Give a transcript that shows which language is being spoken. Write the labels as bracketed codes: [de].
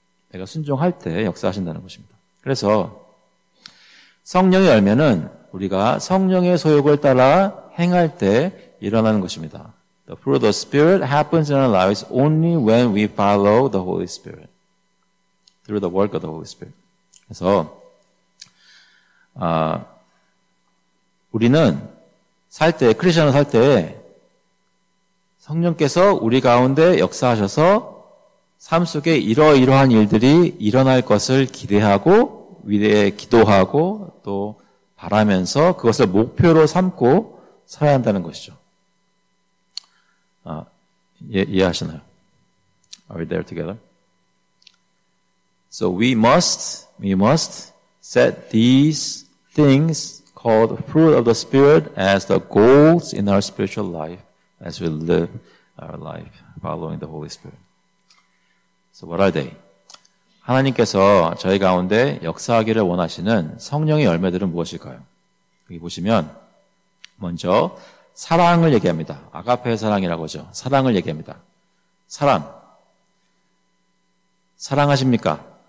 [ko] 내가 순종할 때 역사하신다는 것입니다. 그래서 성령의 열매는 우리가 성령의 소욕을 따라 행할 때 일어나는 것입니다. [en] The fruit of the Spirit happens in our lives only when we follow the Holy Spirit. Through the work of the Holy Spirit. [ko] 그래서 우리는 살 때, 크리스천을 살 때 성령께서 우리 가운데 역사하셔서 삶 속에 이러이러한 일들이 일어날 것을 기대하고 위대히 기도하고 또 바라면서 그것을 목표로 삼고 살아야 한다는 것이죠. 이해하시나요? [en] Are we there together? So we must set these things called fruit of the Spirit as the goals in our spiritual life as we live our life following the Holy Spirit. So what are they? [ko] 하나님께서 저희 가운데 역사하기를 원하시는 성령의 열매들은 무엇일까요? 여기 보시면 먼저 사랑을 얘기합니다. 아가페의 사랑이라고 하죠. 사랑을 얘기합니다. 사랑. 사랑하십니까?